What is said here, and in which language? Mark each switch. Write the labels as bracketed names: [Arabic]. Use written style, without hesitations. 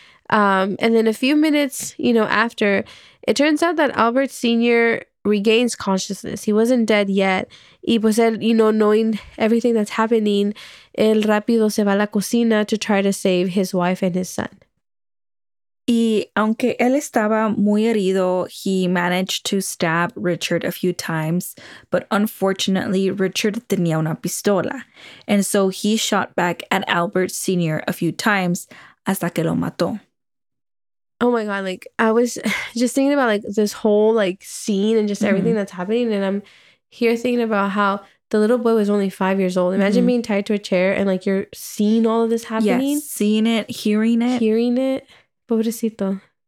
[English] And then a few minutes, you know, after, it turns out that Albert Sr. regains consciousness. He wasn't dead yet. [Spanish] Y pues él, [English] you know, knowing everything that's happening, [Spanish] él rápido se va a la cocina [English] to try to save his wife and his son. [Spanish] Y aunque él estaba muy herido, [English] he managed to stab Richard a few times, but unfortunately, Richard [Spanish] tenía una pistola. [English] And so he shot back at Albert Sr. a few times, [Spanish] hasta que lo mató. [English] Oh my God, like, I was just thinking about, like, this whole, like, scene and just everything that's happening, and I'm here thinking about how the little boy was only 5 years old. Imagine being tied to a chair and, like, you're seeing all of this happening. Yes, seeing it, hearing it. Hearing it. [Spanish] Pobrecito.